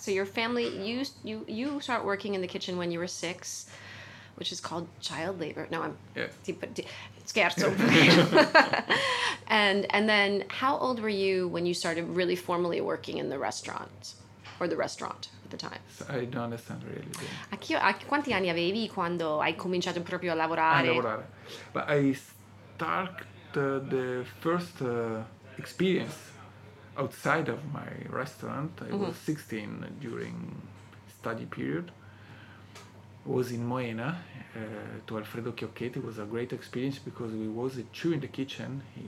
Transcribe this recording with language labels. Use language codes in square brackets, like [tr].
[en] So your family, you start working in the kitchen when you were six, which is called child labor. No, I'm scherzo. And then how old were you when you started really formally working in the restaurant? Or the restaurant at the time. So I don't understand really. [it] A quanti anni avevi quando hai cominciato proprio a lavorare? A lavorare. [en] But I started the first experience outside of my restaurant. I was 16 during study period. I was in Moena to Alfredo Chiocchetti. It was a great experience because we was two in the kitchen.